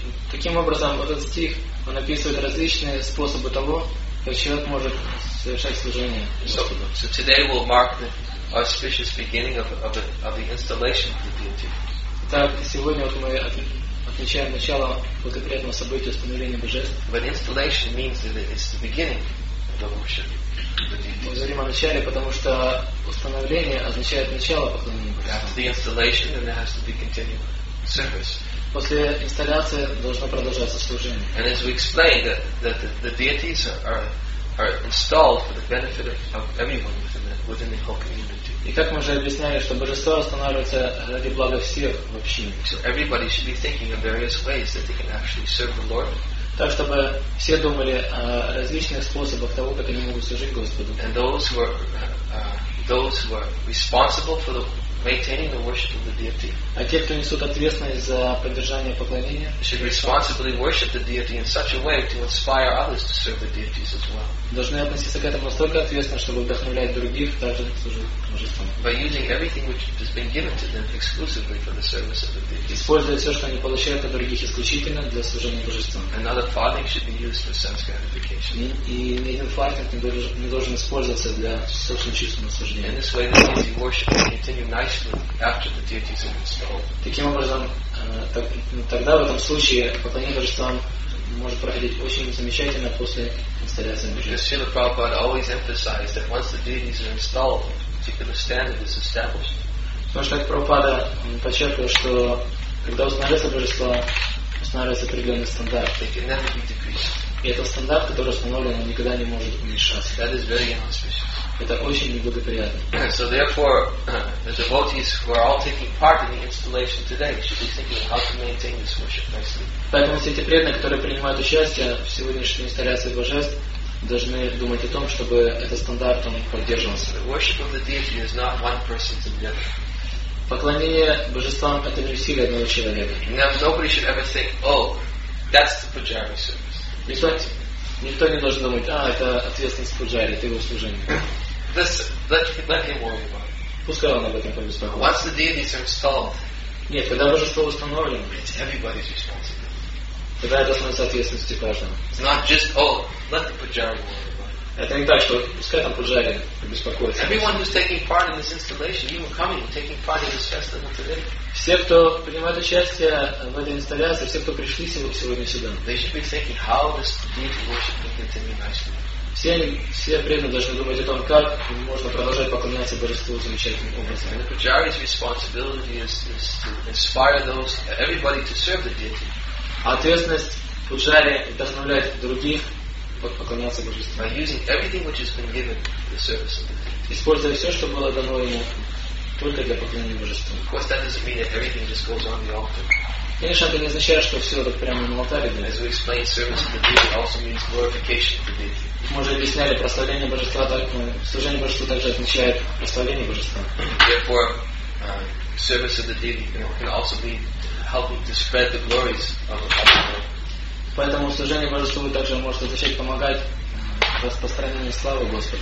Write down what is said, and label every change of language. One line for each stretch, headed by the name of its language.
Russian: Таким образом, этот стих он описывает различные способы того, как человек может совершать служение Господу.
English: So today we'll mark the auspicious beginning of the installation of the deity.
Russian: Так, сегодня вот мы отмечаем начало благоприятного события установления божеств.
English: But installation means that it's the beginning of the worship.
Russian: Мы говорим о начале, потому что установление означает начало поклонения божеств.
English: After the installation, then there has to be continued service.
Russian: После инсталляции должно продолжаться служение.
English: And as we explained, that the deities are installed for the benefit of everyone within the whole community.
Russian: И как мы уже объясняли, что божество устанавливается ради блага всех в общине.
English: So everybody should be thinking of various ways that they can actually serve the Lord.
Russian: Так, чтобы все думали о различных способах того, как они могут служить Господу.
English: And those who are responsible for the maintaining the worship of the deity.
Russian: А те, кто несут ответственность за поддержание поклонения,
English: should responsibly worship the deity in such a way to inspire others to serve the deities as well.
Russian: Должны относиться к этому настолько ответственно, чтобы вдохновлять других также служить божествам.
English: By using everything which has been given to them exclusively for the service of the deity.
Russian: Используя все, что они получают от других, исключительно для служения божествам.
English: Another farthing should be used for sense gratification.
Russian: И ни один фартинг не должен использоваться для собственного чистого служения.
English: In this way, the deity worship will continue nicely after the deities have been installed.
Russian: Таким образом, тогда в этом случае поклонение божествам может проходить очень замечательно после инсталляции божества.
English: Because Srila Prabhupada always emphasized that once the deities are installed, a particular standard is established.
Russian: Потому что Прабхупада подчеркивал, что когда устанавливается божество, устанавливается определенный стандарт.
English: They can never be decreased.
Russian: И этот стандарт, который установлен, никогда не может уменьшаться.
English: That is very inauspicious.
Russian: Это очень неблагоприятно.
English: So therefore, the devotees who are all taking part in the installation today should be thinking of how to maintain this worship nicely.
Russian: Поэтому все эти преданные, которые принимают участие в сегодняшней инсталляции божеств, должны думать о том, чтобы этот стандарт он поддерживался.
English: The worship of the deity is not one person's endeavor.
Russian: Поклонение божествам — это не усилие одного человека.
English: Now, nobody should ever think, oh, that's the pujari service.
Russian: Никто не должен думать, а, это ответственность пуджари, это его служение.
English: Let him worry about it.
Russian: Пускай он об этом побеспокоится.
English: Once the deities are installed.
Russian: Нет, когда божество установлено,
English: it's everybody's responsibility.
Russian: Тогда это становится ответственностью каждого.
English: It's not just, oh, let the pujari worry.
Russian: Это не так, что пускай там пуджари беспокоится.
English: Everyone who's taking part in this installation, even coming and taking part in this festival today.
Russian: Все, кто принимает участие в этой инсталляции, все, кто пришли сегодня сюда.
English: They should be thinking how this deity worship can continue nicely.
Russian: Все преданные должны думать о том, как можно продолжать поклоняться божеству замечательным образом.
English: And the pujari's responsibility is to inspire everybody to serve the deity.
Russian: А ответственность пуджари вдохновляет других. Поклоняться божеству.
English: By using everything which has been given to the service of the deity.
Russian: Используя все, что было дано ему, только для поклонения божеству.
English: Of course, that doesn't mean that everything just goes on the altar.
Russian: Конечно, это не означает, что все так прямо на алтаре.
English: And as we explained, service of the deity also means glorification of the deity.
Russian: Мы уже объясняли, прославление божества, служение божеству также означает прославление божества.
English: Therefore, service of the deity can also be helping to spread the glories of the Lord.
Russian: Поэтому служение божеству также может означать помогать распространению славы Господа.